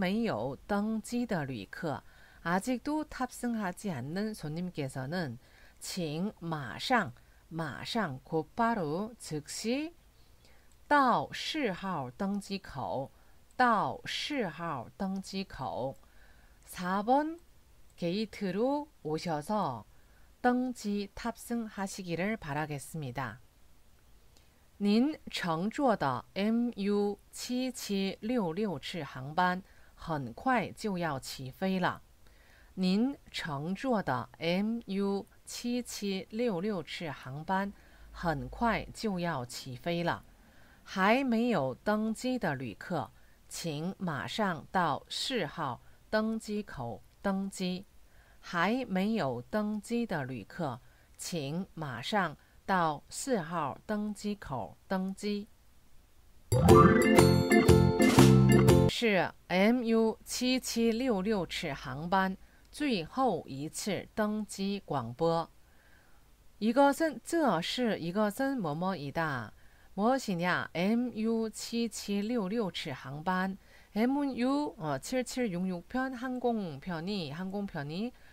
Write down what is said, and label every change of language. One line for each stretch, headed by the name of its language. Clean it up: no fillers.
Chinese: 还没有登机的旅客
Korean: 아직도 탑승하지 않는 손님께서는
Chinese: 请
Korean: 마상 마상 곧바로 즉시
Chinese: 到4号登机口
Korean: 4번 게이트로 오셔서
Chinese: 登机
Korean: 탑승하시기를 바라겠습니다.
Chinese: 您乘坐的 MU77667航班 很快就要起飞了。您乘坐的 MU77667航班 很快就要起飞了。还没有登机的旅客，请马上到4号登机口登机。还没有登机的旅客，请马上到4号登机口登机。是 MU77667航班。最后一次登机广播
Korean: 이것은 뭐뭐이다 무엇이냐 MU77667항반 MU7766편 항공편이